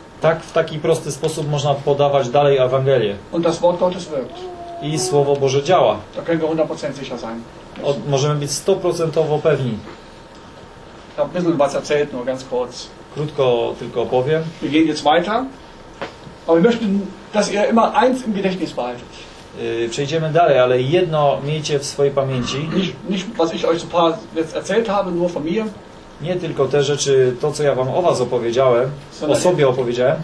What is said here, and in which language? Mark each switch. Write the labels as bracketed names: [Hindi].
[Polish] Tak, w taki prosty sposób można podawać dalej Ewangelię. [German] Und das Wort Gottes wirkt. [Polish] I Słowo Boże działa. [German] Da können wir 100% sicher sein. [Polish] Możemy być 100% pewni. [German] Ich habe ein bisschen was erzählt, nur ganz kurz. [Polish] Krótko tylko opowiem. [German] Wir gehen jetzt weiter. Aber wir möchten, dass ihr immer eins im Gedächtnis behaltet. [Polish] Przejdziemy dalej, ale jedno miejcie w swojej pamięci. [German] Nicht was ich euch so paar jetzt erzählt habe, nur von mir. [Polish] Nie tylko te rzeczy, to co ja wam o was opowiedziałem, o sobie opowiedziałem.